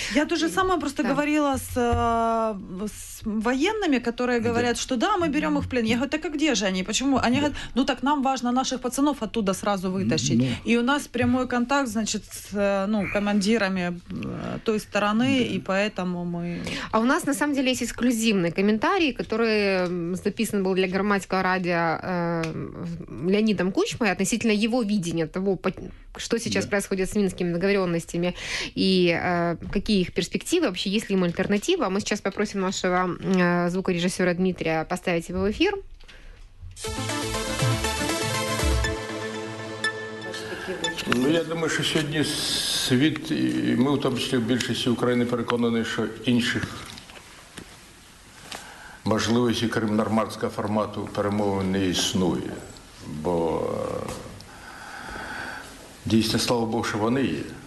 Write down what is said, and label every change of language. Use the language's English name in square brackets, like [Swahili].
[Ukrainian] Я дуже сама просто говорила з воєнними, які говорять, що да, ми беремо їх [Russian] в плен. [Ukrainian] Я говорю, так а де ж вони? Чому? Вони говорять, ну так нам важливо наших пацанів [Russian] оттуда сразу [Ukrainian] витащити. І у нас прямий контакт, значить, з командирами тої сторони, і поэтому ми... [Russian] А у нас на самом деле есть эксклюзивный комментарий, который записан был для Громадського радіо Леонідом Кучмой относительно его видения того, что сейчас сейчас происходит с минскими договоренностями и какие их перспективы, вообще есть ли им альтернатива. Мы сейчас попросим нашего звукорежиссера Дмитрия поставить его в эфир. [Ukrainian] Ну, я думаю, що сьогодні світ, і ми в тому числі в більшості України переконані, що інших можливостей, крім нормандського формату, перемови не існує. Бо дійсно, слава Богу, що вони є.